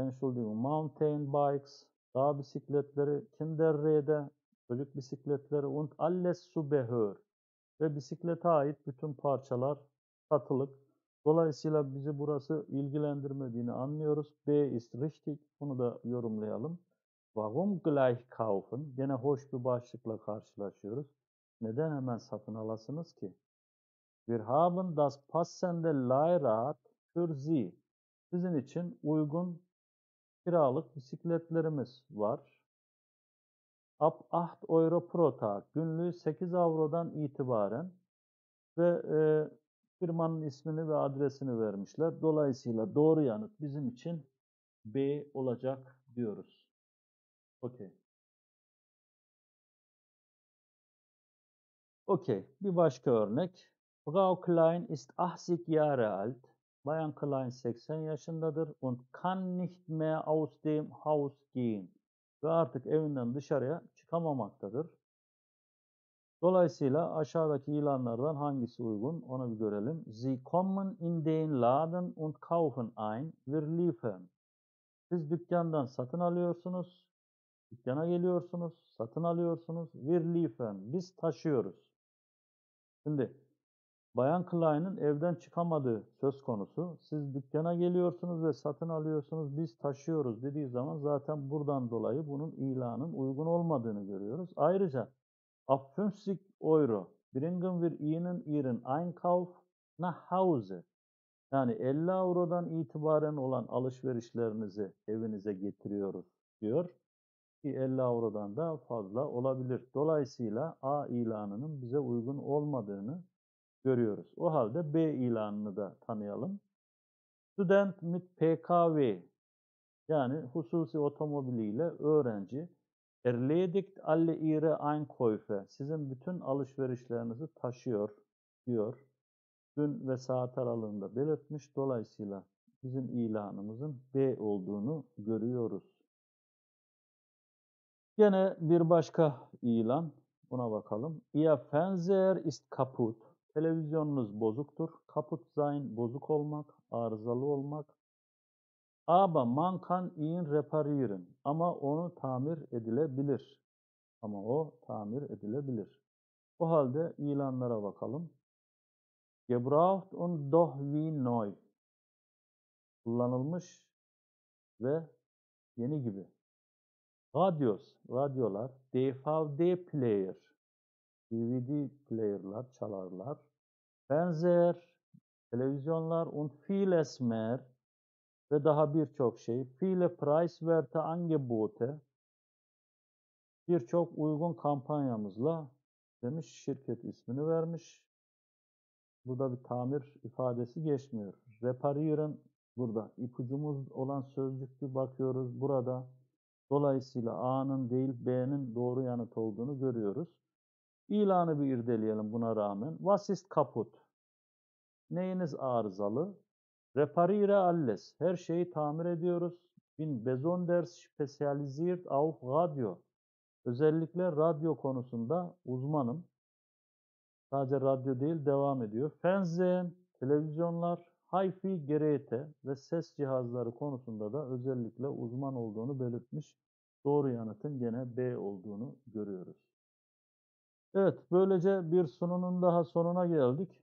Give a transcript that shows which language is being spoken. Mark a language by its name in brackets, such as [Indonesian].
[Turkish] Mountain bikes, dağ bisikletleri, Kinderräder, çocuk bisikletleri [German] und alles zubehör [Turkish] ve bisiklete ait bütün parçalar satılık. Dolayısıyla bizi burası ilgilendirmediğini anlıyoruz. [German] B ist richtig. [Turkish] Bunu da yorumlayalım. [German] Warum gleich kaufen? [Turkish] Gene hoş bir başlıkla karşılaşıyoruz. Neden hemen satın alasınız ki? [German] Wir haben das passende Leihrad für Sie. [Turkish] Sizin için uygun kiralık bisikletlerimiz var. [German] Ab 8 Euro pro Tag, [Turkish] günlüğü 8 Euro'dan itibaren ve firmanın ismini ve adresini vermişler. Dolayısıyla doğru yanıt bizim için B olacak diyoruz. Okey. Okey, bir başka örnek. [German] Frau Klein ist 80 Jahre alt. [Turkish] Bayan Klein 80 yaşındadır. [German] Und kann nicht mehr aus dem Haus gehen. [Turkish] Ve artık evinden dışarıya çıkamamaktadır. Dolayısıyla aşağıdaki ilanlardan hangisi uygun? Ona bir görelim. [German] Sie kommen in den Laden und kaufen ein. Wir liefern. [Turkish] Siz dükkandan satın alıyorsunuz. Dükkana geliyorsunuz. Satın alıyorsunuz. [German] Wir liefern. [Turkish] Biz taşıyoruz. Şimdi Bayan Klein'in evden çıkamadığı söz konusu. Siz dükkana geliyorsunuz ve satın alıyorsunuz, biz taşıyoruz dediği zaman zaten buradan dolayı bunun ilanın uygun olmadığını görüyoruz. Ayrıca [German] 50 euro bringen wir Ihnen Ihren Einkauf nach Hause. [Turkish] Yani 50 eurodan itibaren olan alışverişlerinizi evinize getiriyoruz diyor. 50 eurodan da fazla olabilir. Dolayısıyla A ilanının bize uygun olmadığını görüyoruz. O halde B ilanını da tanıyalım. [German] Student mit PKW, [Turkish] yani hususi otomobiliyle öğrenci, [German] erledigt alle ihre Einkäufe, [Turkish] sizin bütün alışverişlerinizi taşıyor diyor. Gün ve saat aralığında belirtmiş. Dolayısıyla bizim ilanımızın B olduğunu görüyoruz. Gene bir başka ilan. Buna bakalım. [German] Ihr Fernseher ist kaputt. [Turkish] Televizyonunuz bozuktur. [German] Kaputt sein, [Turkish] bozuk olmak, arızalı olmak. [German] Aber man kann ihn reparieren. [Turkish] Ama onu tamir edilebilir. Ama o tamir edilebilir. O halde ilanlara bakalım. [German] Gebraucht und doch wie neu. [Turkish] Kullanılmış ve yeni gibi. Radios, radyolar, DVD player, DVD player'lar, çalarlar, Fernseher, televizyonlar [German] und viele mehr [Turkish] ve daha birçok şey, [German] viele preiswerte Angebote, [Turkish] birçok uygun kampanyamızla demiş, şirket ismini vermiş. Burada bir tamir ifadesi geçmiyor. Reparieren burada, ipucumuz olan sözcükte bakıyoruz burada. Dolayısıyla A'nın değil B'nin doğru yanıt olduğunu görüyoruz. İlanı bir irdeleyelim buna rağmen. [German] Was ist kaputt? [Turkish] Neyiniz arızalı? [German] Repariere alles. [Turkish] Her şeyi tamir ediyoruz. [German] Bin besonders spezialisiert auf radio. [Turkish] Özellikle radyo konusunda uzmanım. Sadece radyo değil, devam ediyor. Fernsehen, televizyonlar. Hi-Fi Geräte ve ses cihazları konusunda da özellikle uzman olduğunu belirtmiş. Doğru yanıtın gene B olduğunu görüyoruz. Evet, böylece bir sunumun daha sonuna geldik.